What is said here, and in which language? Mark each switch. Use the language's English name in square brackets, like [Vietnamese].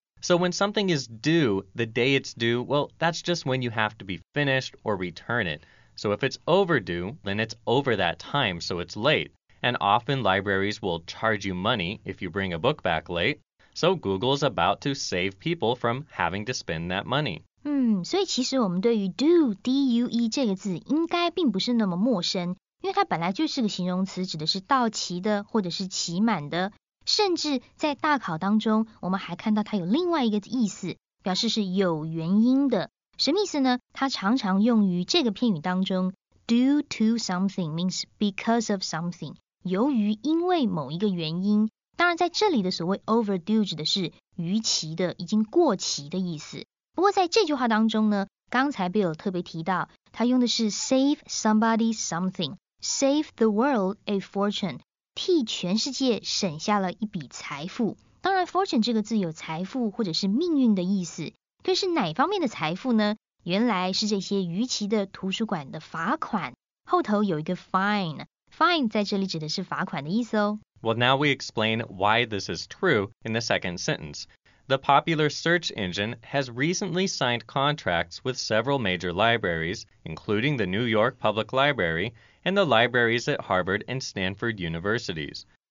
[English] So when something is due, the day it's due, well, that's just when you have to be finished or return it. So if it's overdue, then it's over that time, so it's late. And often libraries will charge you money if you bring a book back late. So Google's about to save people from having to spend that money. [Chinese] 所以其实我们对于 due, D-U-E 这个字应该并不是那么陌生。因为它本来就是个形容词，指的是到期的或者是期满的，甚至在大考当中我们还看到它有另外一个意思，表示是有原因的。什么意思呢？它常常用于这个片语当中， [English] due to something means because of something, [Chinese] 由于因为某一个原因。当然在这里的所谓 overdue 指的是逾期的，已经过期的意思。不过在这句话当中呢，刚才 Bill 特别提到他用的是 [English] save somebody something, save the world a fortune, [Chinese] 替全世界省下了一笔财富。当然 fortune 这个字有财富或者是命运的意思，可是哪方面的财富呢？原来是这些逾期的图书馆的罚款，后头有一个 fine， fine 在这里指的是罚款的意思哦。 [English] Well, now we explain why this is true in the second sentence. The popular search engine has recently signed contracts with several major libraries, including the New York Public Library and the libraries at Harvard and Stanford universities.